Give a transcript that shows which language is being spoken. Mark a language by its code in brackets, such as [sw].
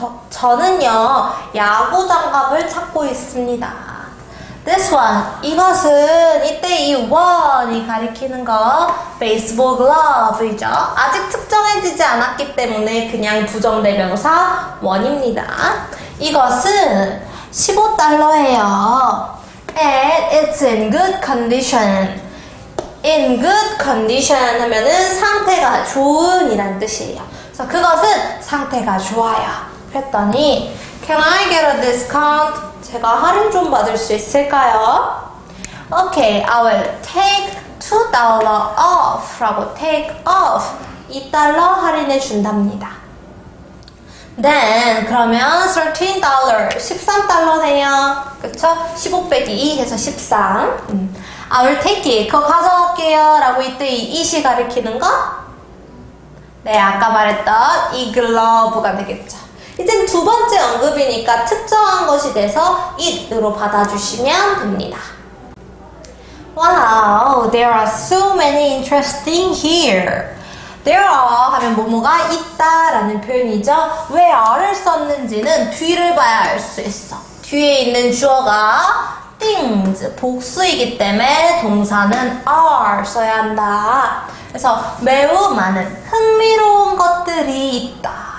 [ko] 저는요, 야구 장갑을 찾고 있습니다. [en] This one, [ko] 이것은 이때 이 one이 가리키는 거, baseball glove이죠. 아직 특정해지지 않았기 때문에 그냥 부정대명사 one입니다. 이것은 15달러예요. [en] And it's in good condition. In good condition [ko] 하면은 상태가 좋은 이란 뜻이에요. 그래서 그것은 상태가 좋아요. 그랬더니 [en] Can I get a discount? [ko] 제가 할인 좀 받을 수 있을까요? [en] Okay, I will take $2 off 라고 take off [ko] 2달러 할인해 준답니다. Then 그러면 $13, 13달러네요. 그쵸? 15 빼기 2 해서 13. [en] I will take it. [ko] 그거 가져갈게요. 라고 이때 이 it이 가리키는 거? 네, 아까 말했던 이 glove가 되겠죠. 이젠 두 번째 언급이니까 특정한 것이 돼서 it으로 받아주시면 됩니다. [en] Wow, there are so many interesting here. [ko] There are 하면 뭐뭐가 있다 라는 표현이죠. where를 썼는지는 뒤를 봐야 알 수 있어. 뒤에 있는 주어가 things, 복수이기 때문에 동사는 are 써야 한다. 그래서 매우 많은 흥미로운 것들이 있다.